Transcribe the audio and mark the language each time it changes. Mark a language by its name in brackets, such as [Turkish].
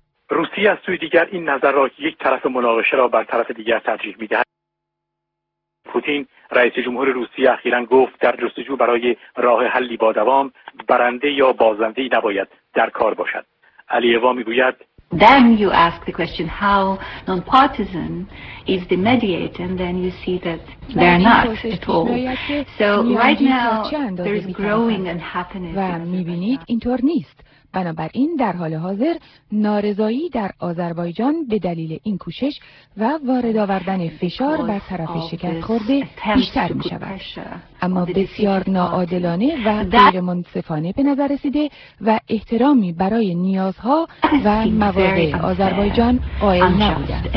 [Persian] روسیه از سوی دیگر این نظر را که یک طرف مناقشه را بر طرف دیگر ترجیح می دهد. پوتین رئیس جمهور روسیه اخیراً گفت در جستجو برای راه حلی با دوام برنده یا بازنده نباید در کار باشد. علیوا میگوید [English] then you ask the question how nonpartisan is the mediator and then you see that they are not at all so right now there is growing unhappiness [Persian] و میبینید اینطور نیست. بنابراین در حال حاضر نارضایی در آذربایجان به دلیل این کوشش و وارد آوردن فشار بر طرف شکست خورده بیشتر می شود. اما بسیار ناعادلانه و غیر منصفانه به نظر رسیده و احترامی برای نیازها و مواضع آذربایجان قائل نبوده.